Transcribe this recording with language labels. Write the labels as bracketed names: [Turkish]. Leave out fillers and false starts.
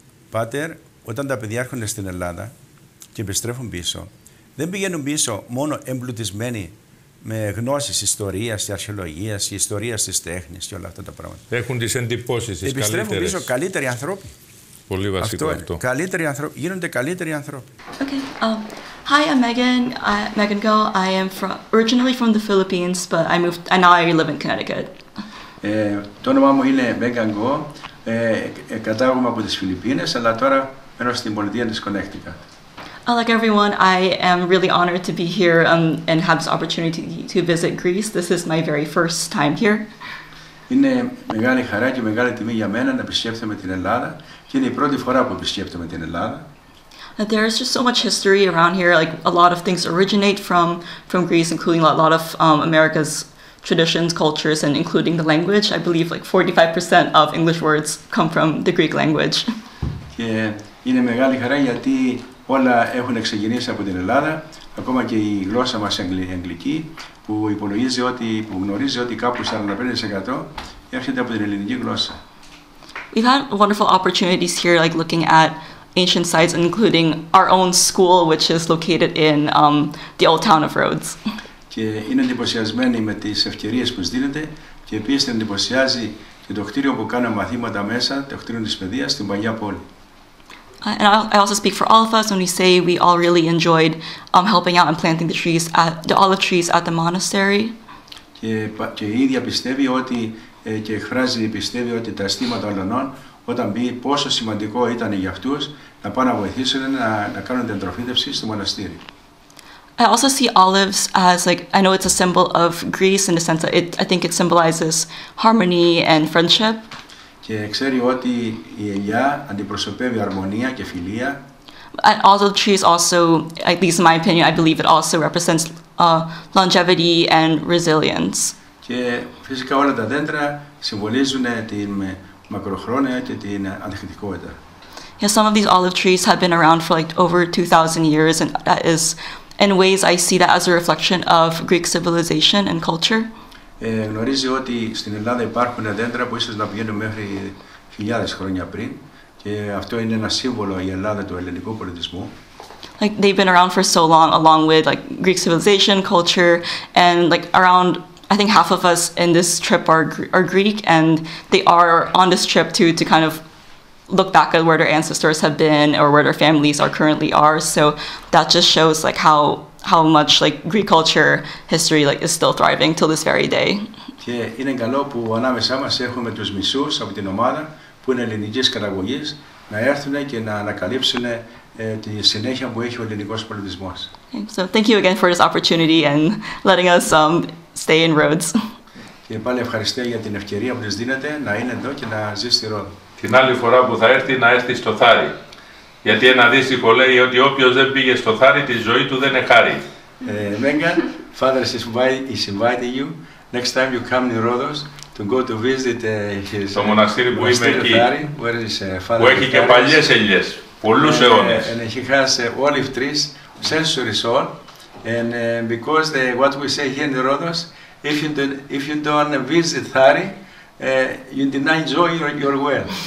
[Greek] Πάτερ, όταν τα παιδιά έρχονται στην Ελλάδα και επιστρέφουν πίσω, δεν πηγαίνουν πίσω μόνο εμπλουτισμένοι με γνώσεις ιστορίας, αρχαιολογίας, ιστορίας της τέχνης και όλα αυτά τα πράγματα. Έχουν τις εντυπώσεις, τις επιστρέφουν καλύτερες. Πίσω καλύτεροι άνθρωποι. Πολύ βασικό αυτό. Καλύτεροι άνθρωποι, γίνονται καλύτεροι άνθρωποι. [English] Okay. Hi, I'm Megan. Megan Go. I am from, originally from the Philippines, but I moved and now I live in Connecticut. [Greek] Το όνομά μου είναι Megan Go. Κατάγομαι από τις Φιλιππίνες, αλλά τώρα μένω στην πολιτεία της Connecticut. [English] Like everyone, I am really honored to be here and have this opportunity to visit Greece. This is my very first time here. [Greek] Είναι μεγάλη χαρά και μεγάλη τιμή για μένα να επισκέπτομαι την Ελλάδα και είναι η πρώτη φορά που επισκέπτομαι την Ελλάδα. [English] There is just so much history around here. Like a lot of things originate from Greece, including a lot of America's traditions, cultures, and including the language. I believe like 45% of English words come from the Greek language. [Greek] Και είναι μεγάλη χαρά γιατί όλα έχουν ξεκινήσει από την Ελλάδα, ακόμα και η γλώσσα μας αγγλική, που υπολογίζει ότι, που γνωρίζει ότι κάπου 45% έρχεται από την ελληνική γλώσσα. [English] We've had wonderful opportunities here, like looking at ancient sites, including our own school, which is located in the old town of Rhodes. [Greek] Και είναι εντυπωσιασμένοι με τις ευκαιρίες που δίνεται και επίσης εντυπωσιάζει και το κτίριο που κάνει μαθήματα μέσα, το κτίριο της παιδείας, στην παλιά πόλη. [English] And I also speak for all of us when we say we all really enjoyed helping out and planting the trees, the olive trees at the monastery. [Greek] Και η ίδια πιστεύει ότι και εκφράζει πιστεύει ότι τα αισθήματα ολονών όταν πει πόσο σημαντικό ήταν για αυτούς να πάνε να βοηθήσουν να κάνουν την τροφήτευση στο μοναστήρι. [English] I also see olives as like I know it's a symbol of Greece in the sense that I think it symbolizes harmony and friendship. [Greek] Και ξέρει ότι η ελιά αντιπροσωπεύει αρμονία και φιλία. [English] And also the trees also, at least in my opinion, I believe it also represents longevity and resilience. [Greek] Και φυσικά όλα τα δέντρα συμβολίζουν την μακροχρόνια και την ανθεκτικότητα. [English] Yeah, some of these olive trees have been around for like over 2,000 years and that is, in ways I see that as a reflection of Greek civilization and culture. [Greek] Γνωρίζει ότι στην Ελλάδα υπάρχουν δέντρα που ίσως να πηγαίνουν μέχρι χιλιάδες χρόνια πριν και αυτό είναι ένα σύμβολο η Ελλάδα του ελληνικού πολιτισμού. [English] Like they've been around for so long along with like Greek civilization, culture and like around I think half of us in this trip are Greek and they are on this trip to kind of look back at where their ancestors have been or where their families are currently are, so that just shows like how much like Greek culture history like is still thriving till this very day. [Greek] Και είναι καλό που ανάμεσά μας έχουμε τους μισούς από την ομάδα που είναι ελληνικής καταγωγής να έρθουν και να ανακαλύψουν τη συνέχεια που έχει ο ελληνικός πολιτισμός. [English] So thank you again for this opportunity and letting us stay in Rhodes. [Greek] Και πάλι ευχαριστώ για την ευκαιρία που μας δίνετε να είναι εδώ και να ζει στη Ρόδο. Την άλλη φορά που θα έρθει να έρθει στο Θάρι. Γιατί ένα δύστυχο λέει ότι όποιος δεν πήγε στο Θάρι, τη ζωή του δεν είναι χάρη. [English] Megan, Father is inviting you. Next time you come in Rhodos, to go to visit his [Greek] monastery που είμαι εκεί, [English] Thari, where is, [Greek] που έχει και παλιές ελιές, πολλούς αιώνες. [English] And he has olive trees, centuries old, and because the, what we say here in Rhodos, if you don't visit Thari, you did not enjoy your well.